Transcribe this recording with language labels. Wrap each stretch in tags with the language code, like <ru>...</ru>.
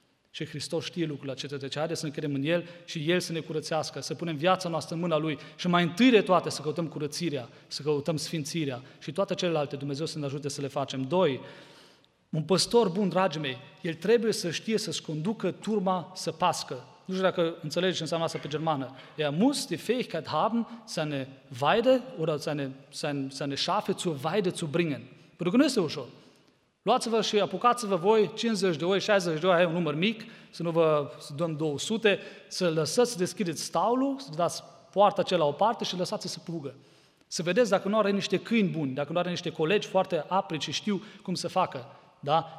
<ro>Și Hristos știe lucrul acesta, deci haideți să ne credem în El și El să ne curățească, să punem viața noastră în mâna Lui și mai întâi de toate să căutăm curățirea, să căutăm sfințirea și toate celelalte, Dumnezeu să ne ajute să le facem. Doi, un păstor bun, dragii mei, el trebuie să știe să-și conducă turma să pască. Nu știu dacă înțelegi ce înseamnă asta pe germană.</ro> <de>Er muss die Fähigkeit haben, seine Weide oder seine Schafe zur Weide zu bringen.</de> <ro>Pentru că nu este ușor. Luați-vă și apucați-vă voi 50 de oi, 60 de oi, e un număr mic, să nu vă dăm 200, să lăsați să deschideți staulul, să dați poarta aceea la o parte și lăsați să plugă. Să vedeți dacă nu are niște câini buni, dacă nu are niște colegi foarte apri și știu cum să facă. Da?</ro>